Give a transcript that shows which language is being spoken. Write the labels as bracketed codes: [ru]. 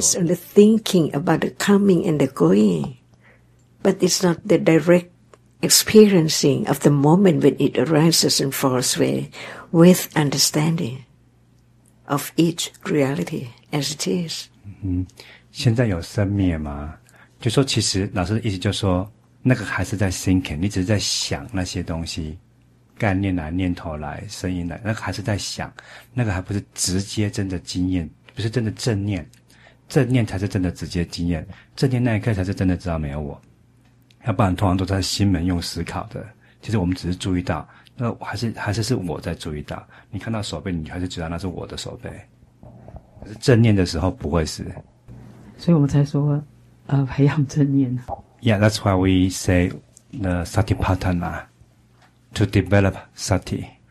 [en] It's only thinking about the coming and the going, but it's not the direct experiencing of the moment when it arises and falls away with understanding of each reality as it is.、 Mm-hmm. [zh] 现在有生灭吗就说其实老师的意思就是说那个还是在 thinking 你只是在想那些东西概念来念头来声音来那个还是在想那个还不是直接真的经验不是真的正念正念才是真的直接经验正念那一刻才是真的知道没有我要不然通常都在心门用思考的其实我们只是注意到那个、还是我在注意到你看到手背你还是知道那是我的手背可是正念的时候不会是所以我们才说培养正念。 [en] Yeah, that's why we say the satipatthana to develop sati.